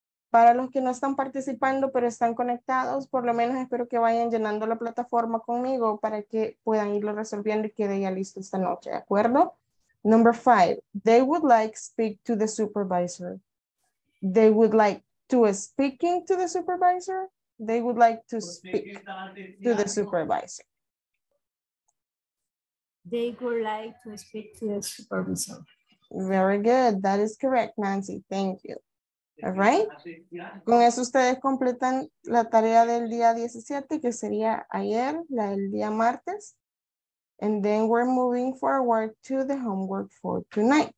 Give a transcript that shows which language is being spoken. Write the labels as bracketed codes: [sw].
[es] Para los que no están participando, pero están conectados, por lo menos espero que vayan llenando la plataforma conmigo para que puedan irlo resolviendo y quede ya listo esta noche, ¿de acuerdo? [en] Number 5. They would like to speak to the supervisor. They would like to speaking to the supervisor. They would like to speak to the supervisor. They would like to speak to the supervisor. Very good. That is correct, Nancy. Thank you. All right. [es] Con eso ustedes completan la tarea del día 17, que sería ayer, la del día martes. [en] And then we're moving forward to the homework for tonight.